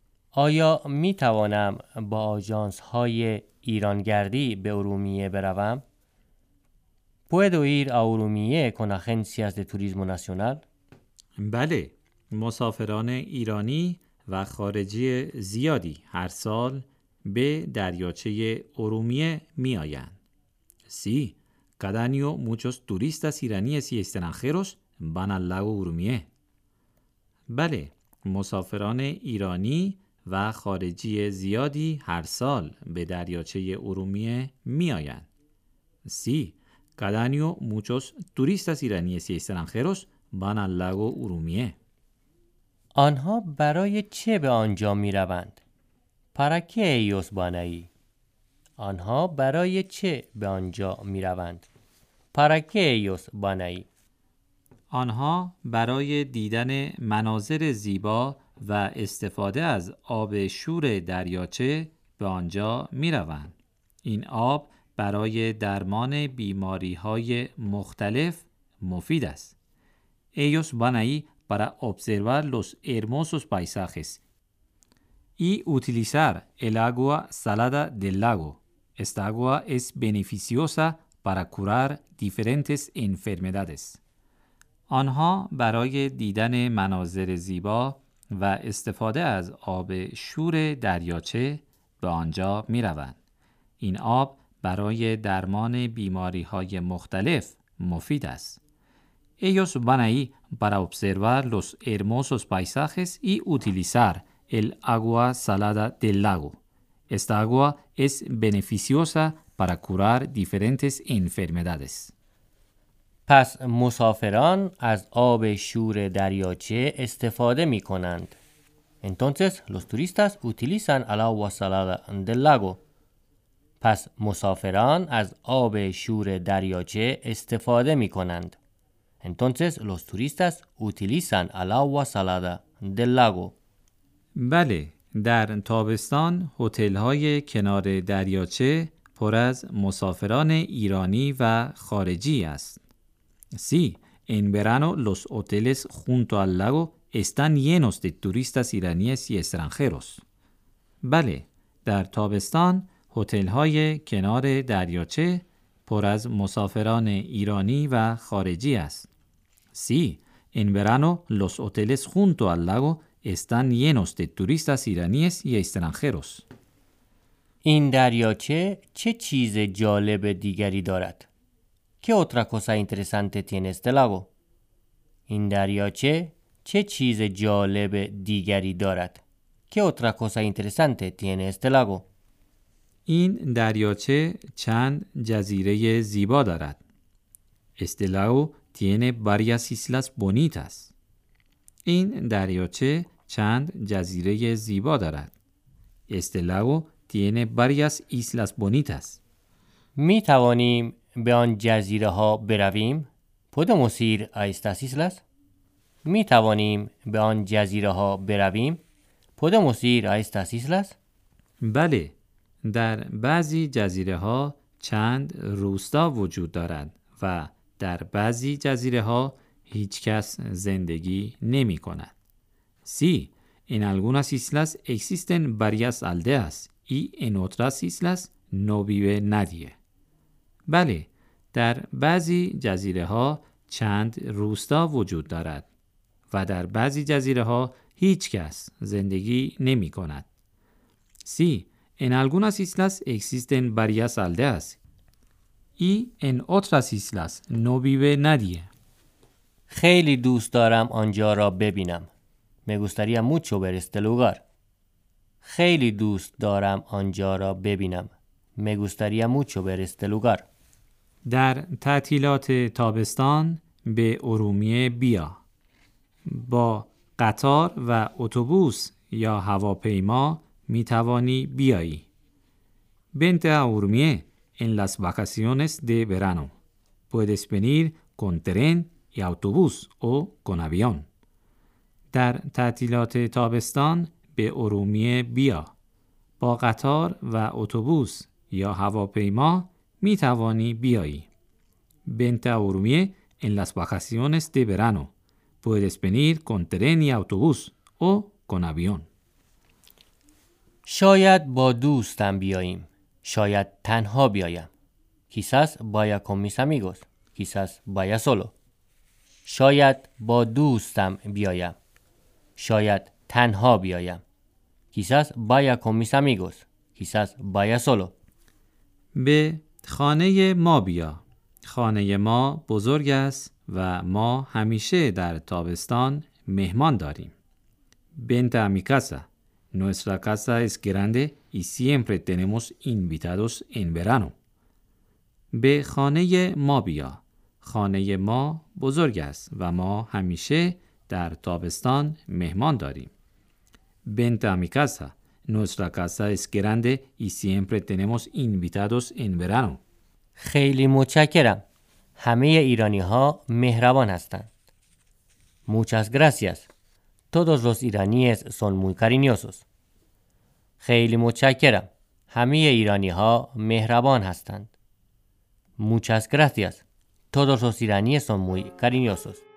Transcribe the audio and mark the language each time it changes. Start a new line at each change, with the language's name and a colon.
Persian: آیا می توانم با آژانس های ایرانگردی به ارومیه بروم؟
Spanish: ¿Puedo ir a Urumiye con agencias de turismo nacional?
Persian: بله، مسافران ایرانی و خارجی زیادی هر سال به دریاچه ارومیه می آیند.
Spanish: Sí, cada año muchos turistas iraníes y extranjeros van al lago Urumiye.
Persian: بله، مسافران ایرانی و خارجی زیادی هر سال به دریاچه ارومیه می آیند.
Spanish: Sí, cada año muchos turistas iraníes y extranjeros van al lago Urumiye.
Persian: آنها برای چه به آنجا می روند؟
Spanish: ¿Para qué ellos van ahí?
Persian: آنها برای چه به آنجا می روند؟
Spanish: ¿Para qué ellos van ahí?
Persian: آنها برای دیدن مناظر زیبا و استفاده از آب شور دریاچه به آنجا می روند. این آب برای درمان بیماری های مختلف مفید است.
Spanish: Ellos van ahí para observar los hermosos paisajes y utilizar el agua salada del lago. Esta agua es beneficiosa para curar diferentes enfermedades.
Persian: آنها برای دیدن مناظر زیبا و استفاده از آب شور دریاچه به آنجا می روند. این آب برای درمان بیماری های مختلف مفید است.
Spanish: Ellos van ahí para observar los hermosos paisajes y utilizar el agua salada del lago. Esta agua es beneficiosa para curar diferentes enfermedades.
Persian: پس مسافران از آب شور دریاچه استفاده می کنند.
Spanish: Entonces los turistas utilizan el agua salada del lago.
Persian: پس مسافران از آب شور دریاچه استفاده می کنند.
Spanish: Entonces los turistas utilizan el agua salada del lago.
Persian: بله، در تابستان هتل‌های کنار دریاچه پر از مسافران ایرانی و خارجی است.
Spanish: Sí, en verano los hoteles junto al lago están llenos de turistas iraníes y extranjeros.
Persian: بله، در تابستان هتل‌های کنار دریاچه پر از مسافران ایرانی و خارجی است.
Spanish: Sí, en verano los hoteles junto al lago están llenos de turistas iraníes y extranjeros.
Persian: این دریاچه چه چیز جالب دیگری دارد؟
Spanish: ¿Qué otra cosa interesante tiene este lago?
Persian: این دریاچه چه چیز جالب دیگری دارد؟
Spanish: ¿Qué otra cosa interesante tiene este lago?
Persian: این دریاچه چند جزیره زیبا دارد.
Spanish: Este lago tiene varias islas bonitas.
Persian: این دریاچه چند جزیره زیبا دارد.
Spanish: Este lago tiene varias islas bonitas.
Persian: می توانیم به آن جزیره ها برویم؟
Spanish: Podemos ir a estas islas?
Persian: می توانیم به آن جزیره ها برویم؟
Spanish: Podemos ir a estas islas?
Persian: بله. در بعضی جزیره ها چند روستا وجود دارند و در بعضی جزیره ها هیچ کس زندگی نمی کند.
Spanish: Sí, en algunas islas existen varias aldeas y en otras islas no vive nadie.
Persian: بله، در بعضی جزیره ها چند روستا وجود دارد و در بعضی جزیره ها هیچ کس زندگی نمی کند.
Spanish: Sí, en algunas islas existen varias aldeas y en otras islas no vive nadie.
Persian: خیلی دوست دارم آنجا را ببینم.
Spanish: Me gustaría mucho ver este lugar.
Persian: خیلی دوست دارم آنجا را ببینم.
Spanish: Me gustaría mucho ver este lugar.
Persian: در تعطیلات تابستان به ارومیه بیا. با قطار و اتوبوس یا هواپیما می توانی بیایی.
Spanish: Vente a Urmia en las vacaciones de verano. Puedes venir con tren y autobús o con avión.
Persian: در تعطیلات تابستان به ارومیه بیا. با قطار و اتوبوس یا هواپیما می توانی بیایی.
Spanish: Vente a Urmia en las vacaciones de verano. Puedes venir con tren y autobús o con avión.
Persian: شاید با دوستم بیاییم. شاید تنها بیایم.
Spanish: Quizás vaya con mis amigos. Quizás vaya solo.
Persian: شاید با دوستم بیایم. شاید تنها بیایم.
Spanish: Quizás vaya con mis amigos. Quizás vaya solo.
Persian: به خانه ما بیا. خانه ما بزرگ است و ما همیشه در تابستان مهمان داریم.
Spanish: Vente a mi casa. Nuestra casa es grande y siempre tenemos invitados en verano.
Persian: به خانه ما بیا. خانه ما بزرگ است و ما همیشه در تابستان مهمان داریم.
Spanish: Vente a mi casa. Nuestra casa es grande y siempre tenemos invitados en verano.
Persian: خیلی متشکرم. همه ایرانی ها مهربان هستند.
Spanish: Muchas gracias. Todos los iraníes son muy cariñosos.
Persian: خیلی متشکرم. همه ایرانی ها مهربان هستند.
Spanish: Muchas gracias. Todos los iraníes son muy cariñosos.